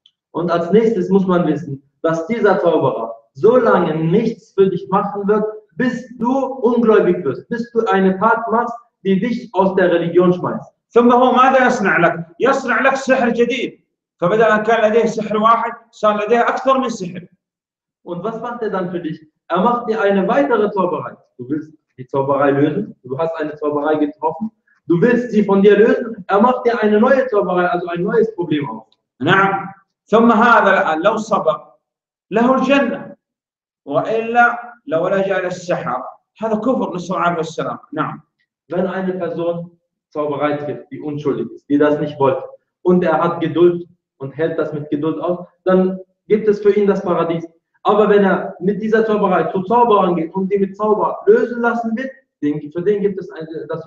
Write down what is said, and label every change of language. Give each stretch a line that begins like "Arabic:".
German: Und als nächstes muss man wissen, dass dieser Zauberer so lange nichts für dich machen wird, bis du ungläubig wirst, bis du eine Tat machst, die dich aus der Religion schmeißt.
Arabic: ثم هو ماذا يصنع لك؟ يصنع لك سحر جديد. فبدل أن كان لديه سحر واحد، صار لديه أكثر من سحر.
German: Und was macht dann für dich? Macht dir eine weitere Zauberei. Du willst die Zauberei lösen. Du hast eine Zauberei getroffen. Du willst sie von dir lösen. Macht dir eine neue Zauberei, also ein neues Problem auf.
Arabic: نعم. ثم هذا الآن لو صبر له الجنة. وإلا لو لجأ للسحر هذا كفر نسأل الله السلام. نعم.
German: Wenn eine Person Zauberei trifft, die unschuldig ist, die das nicht wollte. Und er hat Geduld und hält das mit Geduld auf, dann gibt es für ihn das Paradies. Aber wenn er mit dieser Zauberei zu Zauberern geht und die mit Zauber lösen lassen wird, für den gibt es das